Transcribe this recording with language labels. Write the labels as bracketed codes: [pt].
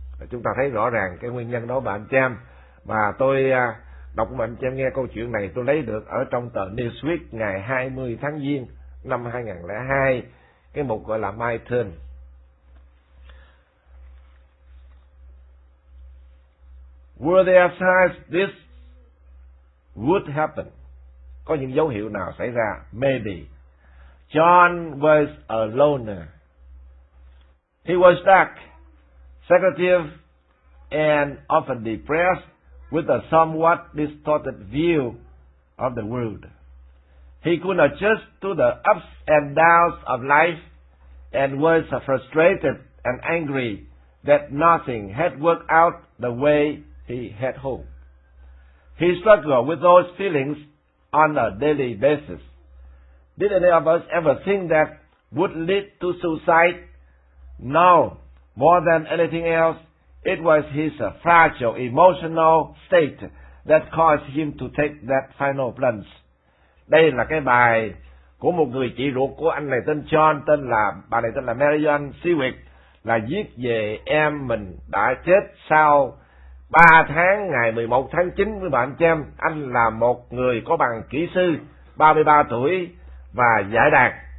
[vi] Chúng ta thấy rõ ràng cái nguyên nhân đó bạn chị em. Và tôi đọc mạnh cho em nghe câu chuyện này, tôi lấy được ở trong tờ Newsweek ngày 20 tháng Giêng năm 2002, cái mục gọi là My Turn. [en] Were there signs this would happen? [vi] Có những dấu hiệu nào xảy ra? [en] Maybe. John was a loner. He was dark, secretive, and often depressed, with a somewhat distorted view of the world. He could adjust to the ups and downs of life and was frustrated and angry that nothing had worked out the way he had hoped. He struggled with those feelings on a daily basis. Did any of us ever think that would lead to suicide? No, more than anything else, it was his fragile emotional state that caused him to take that final plunge. [vi] Đây là cái bài của một người chị ruột của anh này, tên John, tên là Marion Sewick, là viết về em mình đã chết sau 3 tháng ngày 11 tháng 9 với bạn Chem. Anh là một người có bằng kỹ sư, 33 tuổi và giải đạt.